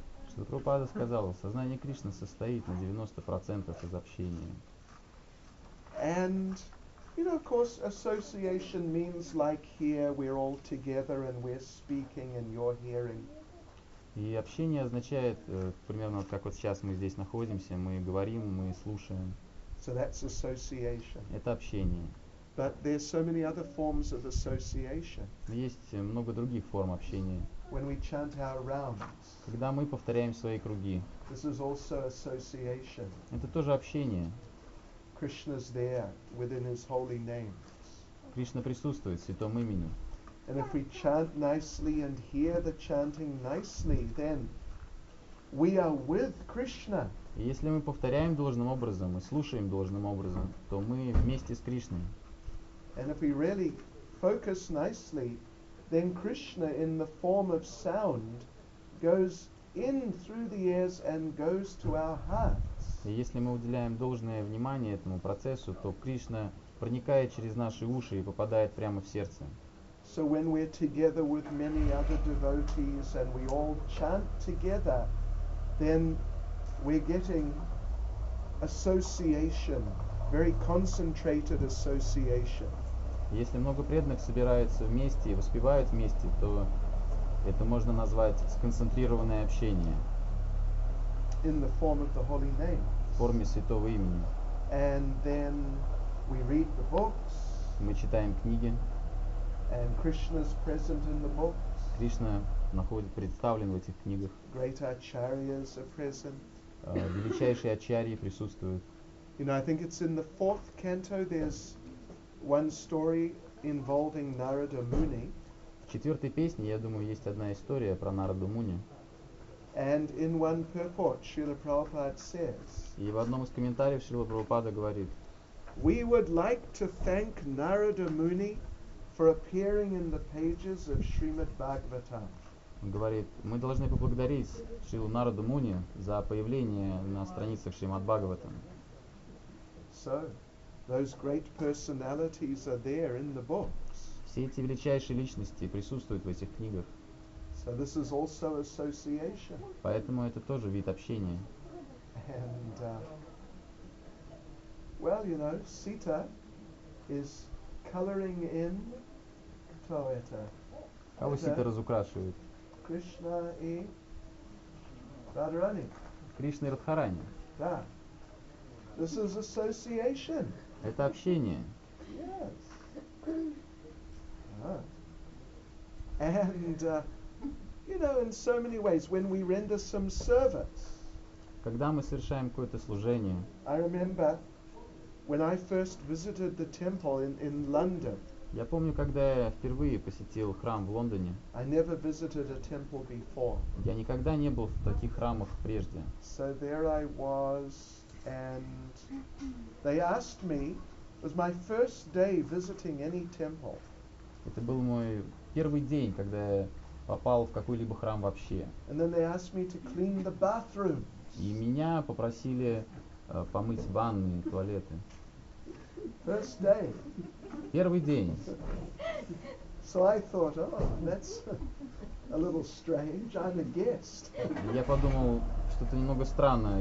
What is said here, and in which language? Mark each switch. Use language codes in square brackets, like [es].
[ru] Что Прабхупада сказал, сознание Кришны состоит на 90% из общения. [en] And you know, of course, association means like here we're all together and we're speaking and you're hearing. [ru] И общение означает примерно как вот сейчас мы здесь находимся, мы говорим, мы слушаем. [en] So that's association. [ru] Это общение. [en] But there's so many other forms of association. [ru] Есть много других форм общения. [en] When we chant our rounds. [ru] Когда мы повторяем свои круги. [en] This is also association. [ru] Это тоже общение. [en] Krishna's there within his holy name. [ru] Кришна присутствует в святом имени. [en] And if we chant nicely and hear the chanting nicely, then we are with Krishna. [ru] И если мы повторяем должным образом и слушаем должным образом, то мы вместе с Кришной. [en] And if we really focus nicely, then Krishna in the form of sound goes in through the ears and goes to our hearts. [ru] Если мы уделяем должное внимание этому процессу, то Кришна проникает через наши уши и попадает прямо в сердце. [en] So when we're together with many other devotees and we all chant together, then we're getting association, very concentrated association. [ru] Если много преданных собираются вместе и воспевают вместе, то это можно назвать сконцентрированное общение. [en] In the form of the holy name. [ru] В форме святого имени. [en] And then we read the books. [ru] Мы читаем книги. [en] And Krishna's present in the books. [ru] Кришна представлен в этих книгах. [en] Great acharyas are present. [ru] Величайшие ачарьи присутствуют. [en] You know, I think it's in the fourth canto there's one story involving Narada Muni. [ru] В четвертой песне, я думаю, есть одна история про Нараду Муни. [en] And in one purport, Srila Prabhupada says. [ru] И в одном из комментариев Шрила Прабхупада говорит. [en] We would like to thank Narada Muni for appearing in the pages of Srimad Bhagavatam. [ru] Он говорит, мы должны поблагодарить Шрилу Нараду Муни за появление на страницах Шримад Бхагаватам. [en] So, those great personalities are there in the books. [ru] Все эти величайшие личности присутствуют в этих книгах. [en] So this is also association. [ru] Поэтому это тоже вид общения. [en] And, well, you know, Sita is coloring in [ru] кто это? Кого Сита разукрашивает? Кришна и Радхарани. Кришна и Радхарани. Да. [en] This is association. [ru] Это общение. [en] Yes. And you know, in so many ways, when we render some service. [ru] Когда мы совершаем какое-то служение. [en] I remember when I first visited the temple in London. [ru] Я помню, когда я впервые посетил храм в Лондоне. [en] I never visited a temple before. [ru] Я никогда не был в таких храмах прежде. [en] So there I was, and they asked me, it was my first day visiting any temple. [ru] Это был мой первый день, когда я попал в какой-либо храм вообще. [en] And then they asked me to clean the bathrooms. [ru] И меня попросили помыть ванны, туалеты. [en] First day. [ru] Первый день. [en] So I thought, oh, that's a little strange. I'm a guest. [ru] Я подумал, что-то немного странное.